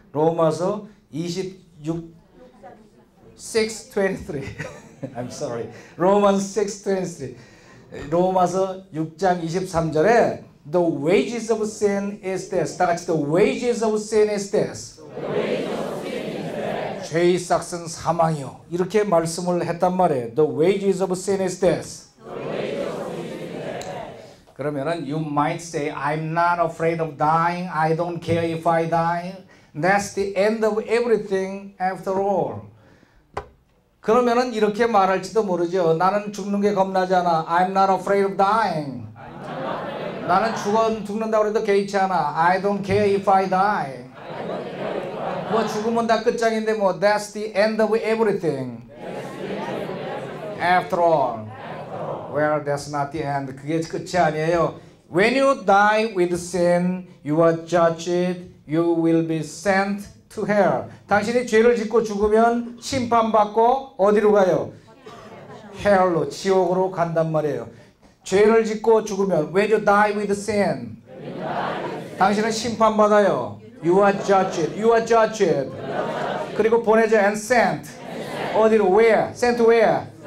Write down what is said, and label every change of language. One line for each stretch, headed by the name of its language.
English: 로마서 26:23. I'm sorry. Romans 6:23.
Korean: 로마서 6장 23절에
English: The wages of sin is death.
Korean: 다 같이
English: The wages of sin is death.
Korean: 죄의 삭은 사망이요. 이렇게 말씀을 했단 말이에요.
English: The wages of sin is death.
Korean: 그러면은
English: you might say I'm not afraid of dying. I don't care if I die. That's the end of everything after all.
Korean: 그러면은 이렇게 말할지도 모르죠. 나는 죽는 게 겁나지 않아.
English: I'm not afraid of dying.
Korean: 나는 죽는다고 해도 개의치 않아.
English: I don't care if I die.
Korean: 뭐 죽으면 다 끝장인데 뭐
English: that's the end of everything. After all. Well, that's not the end.
Korean: 그게 끝이 아니에요.
English: When you die with sin, you are judged. You will be sent to hell.
Korean: 당신이 죄를 짓고 죽으면 심판받고 어디로 가요? Hell로, 지옥으로 간단 말이에요. 죄를 짓고 죽으면
English: when you die with sin,
Korean: 당신은 심판받아요.
English: You are judged. You are judged.
Korean: 그리고 보내죠.
English: And sent.
Korean: 어디로?
English: Where? Sent where?